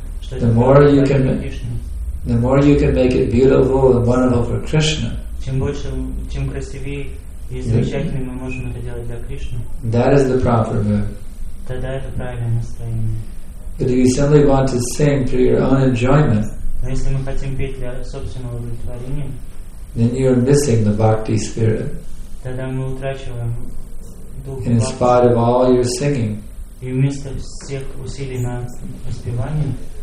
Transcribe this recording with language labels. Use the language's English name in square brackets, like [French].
[English] The more you can make it beautiful and wonderful for Krishna, [Russian] чем больше, чем красивее и замечательнее мы можем это делать для Кришны, [English] that is the proper mood. [Russian] Тогда это правильное настроение. [English] But if you simply want to sing for your own enjoyment, [Russian] но если мы хотим петь для собственного удовлетворения, [English] then you are missing the bhakti spirit. [Russian] Тогда мы утрачиваем дух [English] бхакти. In spite of all your singing, [Russian] и вместо всех усилий на воспевание,